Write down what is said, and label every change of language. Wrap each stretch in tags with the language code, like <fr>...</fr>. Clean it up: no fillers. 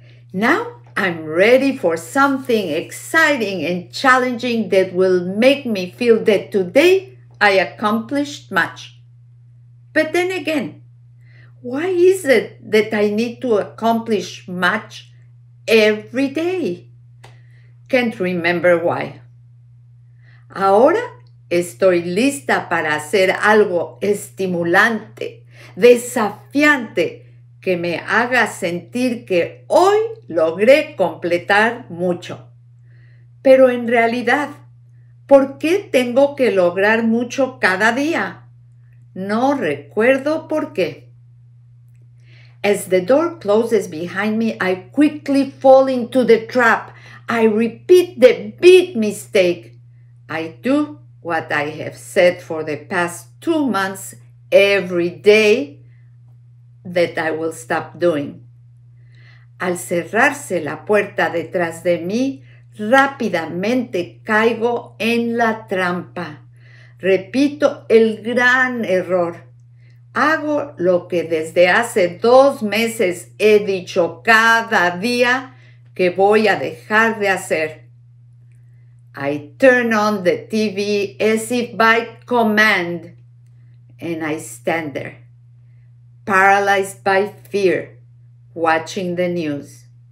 <en>Now I'm ready for something exciting and challenging that will make me feel that today I accomplished much. But then again, why is it that I need to accomplish much every day? Can't remember why.</en> <es>Ahora estoy lista para hacer algo estimulante, desafiante, que me haga sentir que hoy logré completar mucho. Pero en realidad, ¿por qué tengo que lograr mucho cada día? No recuerdo por qué.</es> <en>As the door closes behind me, I quickly fall into the trap. I repeat the big mistake. I do what I have said for the past 2 months every day that I will stop doing.</en> <es>Al cerrarse la puerta detrás de mí, rápidamente caigo en la trampa. Repito el gran error. Hago lo que desde hace 2 meses he dicho cada día que voy a dejar de hacer.</es> <en>I turn on the TV as if by command, and I stand there, paralyzed by fear, watching the news.</en>